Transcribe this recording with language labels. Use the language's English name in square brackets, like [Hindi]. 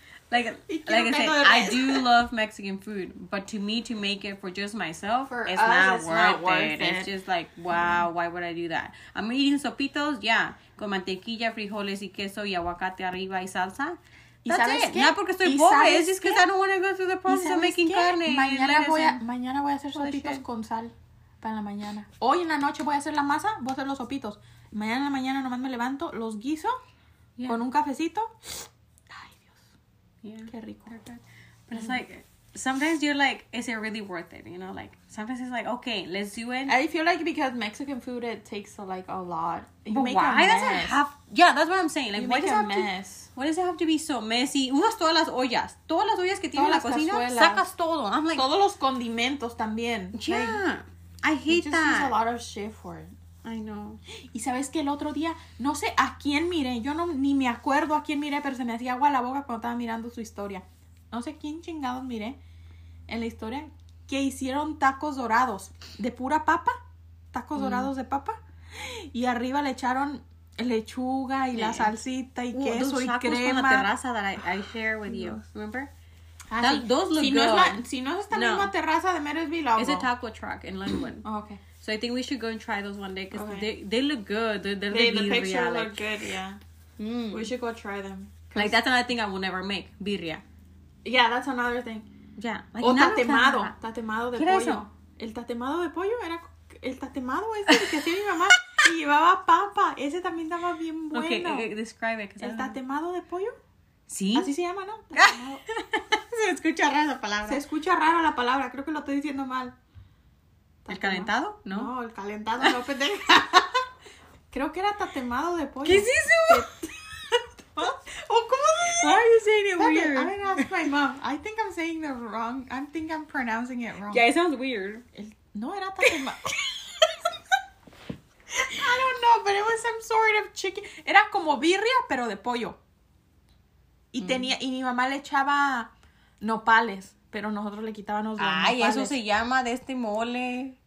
[English] Like I said, I do love Mexican food, but to me, to make it for just myself, it's not worth it. It's just like, wow, why would I do that? I'm eating sopitos, [Spanish] con mantequilla, frijoles y queso y aguacate arriba y salsa. [English] That's it. Not [Spanish] porque estoy pobre, [English] it's just because I don't want to go through the process of making carne. [Spanish] Mañana voy a hacer sopitos con sal para la mañana. Hoy en la noche voy a hacer la masa, voy a hacer los sopitos. Mañana nomás me levanto, los guiso con un cafecito. Yeah. Qué rico. [English] But it's like, sometimes you're like, is it really worth it? You know, like, sometimes it's like, okay, let's do it. I feel like because Mexican food, it takes like a lot. But why? Yeah, that's what I'm saying. Like, what does it have mess. To, what does it have to be so messy? [Spanish] Usas todas las ollas. Todas las ollas que tiene la cocina, cazuelas. Sacas todo. [English] I'm like... [Spanish] Todos los condimentos también. [English] Yeah. Like, I hate just that. Just use a lot of shit for it. I know. [Spanish] Y sabes que el otro día, no sé a quién miré. Yo no ni me acuerdo a quién miré, pero se me hacía agua la boca cuando estaba mirando su historia. No sé quién chingados miré en la historia que hicieron tacos dorados de pura papa. Tacos dorados de papa. Y arriba le echaron lechuga y la salsita y queso y crema. [English] Those tacos from the terraza that I share with you. Remember? Those look good. [Spanish] Si no es esta misma terraza de Marysville, [English] it's a taco truck in Linwood. Oh, okay. So I think we should go and try those one day because they look good. The picture look good, yeah. Mm. We should go try them. Like, that's another thing I will never make, birria. Yeah, that's another thing. Yeah. Like, tatemado. Tatemado de pollo. [Spanish] El tatemado de pollo era el tatemado ese que hacía mi mamá y llevaba papa. Ese también estaba bien bueno. [English] Okay, describe it. [Spanish] El tatemado de pollo. ¿Sí? Así se llama, ¿no? Se escucha rara la palabra. Se escucha rara la palabra. Creo que lo estoy diciendo mal. ¿El calentado? No. No, el calentado no, pendeja. Creo que era tatemado de pollo. ¿Qué es eso? ¿Cómo se dice? [English] Why are you saying it weird? I'm gonna ask my mom. I think I'm saying the wrong. I think I'm pronouncing it wrong. Yeah, it sounds weird. [Spanish] No, era tatemado. [English] I don't know, but it was some sort of chicken. [Spanish] Era como birria, pero de pollo. Y tenía, y mi mamá le echaba nopales. Pero nosotros le quitábamos los nopales. Ay, eso se llama de este mole.